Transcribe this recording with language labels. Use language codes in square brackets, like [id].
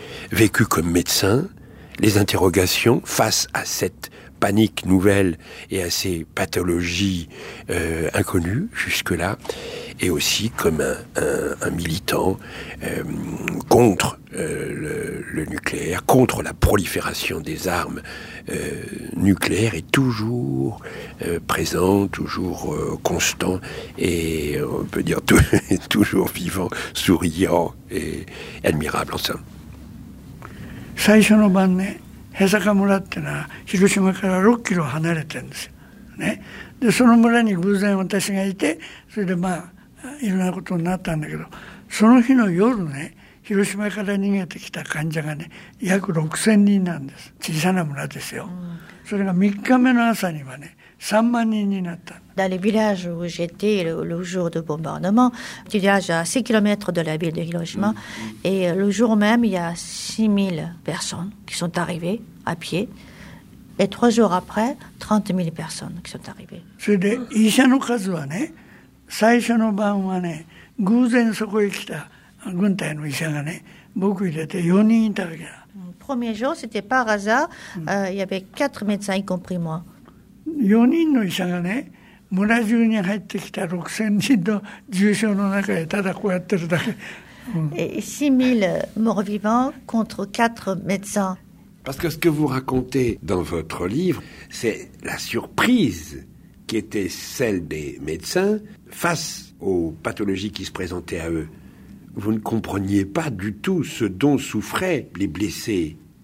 [fr] vécu comme médecin, les interrogations face à cette panique nouvelle et à ces pathologies inconnues jusque-là, et aussi comme un militant contre le nucléaire, contre la prolifération des armes nucléaires, est toujours présent, toujours constant, et on peut dire toujours vivant, souriant et admirable en somme. [ja] 最初の晩ね、へさか村ってのは広島から6キロ離れてるんですよ、ね、でその村に偶然私がいて、それでまあいろんなことになったんだけど、その日の夜ね、広島から逃げてきた患者がね、約6000人なんです。小さな村ですよ、うん、それが3日目の朝にはね、3万人になった。 [fr] Dans les villages où j'étais le jour du bombardement, un village à 6 km de la ville de Hiroshima, et le jour même, il y a 6000 personnes qui sont arrivées à pied, et trois jours après, 30 000 personnes qui sont arrivées. C'est des médecins de cas, hein? [ja] 最初の晩はね、偶然そこへ来た軍隊の医者がね、僕入れて4人いたわけだ。 [fr] Premier jour, c'était par hasard, il y avait 4 médecins, y compris moi. [ja] 4人の医者がね、村中に入ってきた6000人の重症の中でただこうやってるだけ。 [fr] Et 6000 morts vivants contre 4 médecins. Parce que ce que vous racontez dans votre livre, c'est la surprise qui était celle des médecins face aux pathologies qui se présentaient à eux. Vous ne compreniez pas du tout ce dont souffraient les blessés.